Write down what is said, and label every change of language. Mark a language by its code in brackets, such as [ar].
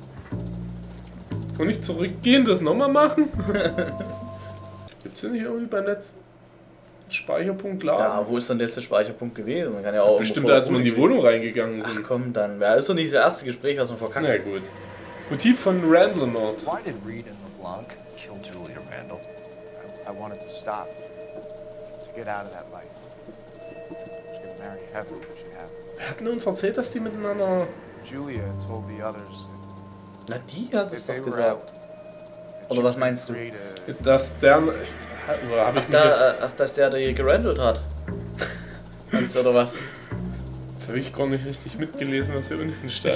[de] Kann ich zurückgehen, das nochmal machen? Gibt's denn hier irgendwie beim letzten Speicherpunkt laden? Ja, wo ist denn der letzte Speicherpunkt gewesen? Kann ja auch bestimmt, als wir in die Wohnung reingegangen sind. Ach komm, dann. Ja, ist doch nicht das erste Gespräch, was wir verkackt. Na ja, gut. Motiv von Randall Mord. [en] Why did Reed and LeBlanc kill Julia Randall? I wanted to stop. To get out of that life. She's gonna marry Heather, what she had. [de] Wer hat denn uns erzählt, dass die miteinander... [en] Julia told the others. [de] Na, die hat es doch gesagt. Oder was meinst du? Dass der... Dass der die gerandelt hat. Meinst du, oder was? Das habe ich gar nicht richtig mitgelesen, was hier unten stand.